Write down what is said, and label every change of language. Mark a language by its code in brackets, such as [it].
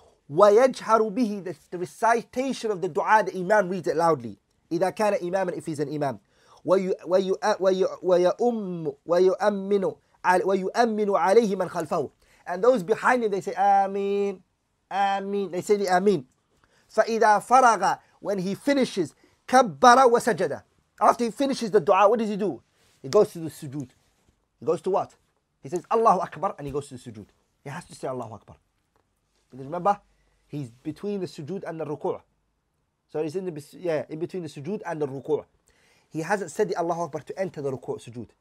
[ar] وَيَجْهَرُ بِهِ, [en] the recitation of the dua, the imam reads it loudly. [ar] إِذَا كَانَ إِمَامًا, [en] if he's an imam. [ar] وَيُؤَمِّنُ عَلَيْهِ مَنْ خَلْفَهُ, [en] and those behind him, they say, Ameen, Ameen. They say the Ameen. [ar] فَإِذَا فَرَغَ, [en] when he finishes, [ar] كَبَّرَ وَسَجَدَ. [en] After he finishes the dua, what does he do? He goes to the sujood. He goes to what? He says, Allahu Akbar, and he goes to the sujood. He has to say Allahu Akbar. Because remember, he's between the sujood and the ruku'. So he's in between the sujood and the ruku'. He hasn't said the Allahu Akbar to enter the ruku' sujood.